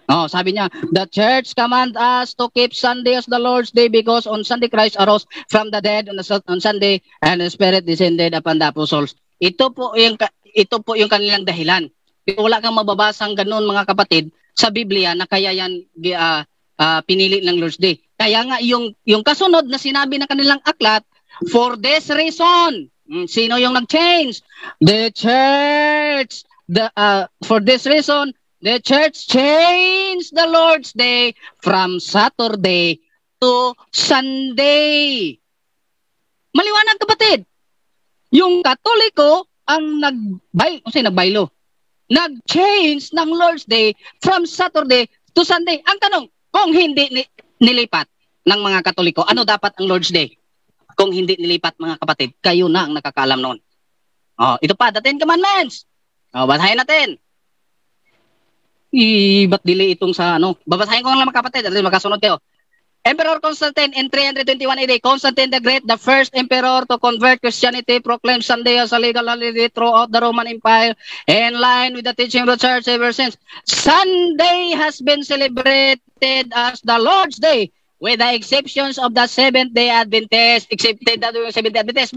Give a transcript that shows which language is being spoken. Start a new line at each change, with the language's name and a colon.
English: Oh,
Filipino: sabi niya,
English: the church command us to keep Sunday as the Lord's Day because on Sunday Christ arose from the dead on Sunday and the Spirit descended upon the apostles.
Filipino: Ito po yung kanilang dahilan. Wala kang mababasang ganun mga kapatid sa Biblia na kaya yan pinili ng Lord's Day. Kaya nga yung kasunod na sinabi ng kanilang aklat,
English: for this reason,
Filipino: sino yung nag-change?
English: The church, for this reason, the church changed the Lord's Day from Saturday to Sunday.
Filipino: Maliwanag kapatid. Yung Katoliko ang nag-change ng Lord's Day
English: from Saturday to Sunday.
Filipino: Ang tanong, kung hindi nilipat ng mga Katoliko, ano dapat ang Lord's Day? Kung hindi nilipat mga kapatid, kayo na ang nakakaalam noon. Oh, ito pa, the Ten Commandments. Oh, basahin natin. Ba't delay itong sa ano? Babasahin ko lang mga kapatid, at magkasunod kayo.
English: Emperor Constantine in 321 AD, Constantine the Great, the first emperor to convert Christianity, proclaimed Sunday as a legal holiday throughout the Roman Empire, in line with the teaching of the church ever since. Sunday has been celebrated as the Lord's Day, with the exceptions of the Seventh-day Adventist, excepted that yung Seventh-day Adventist.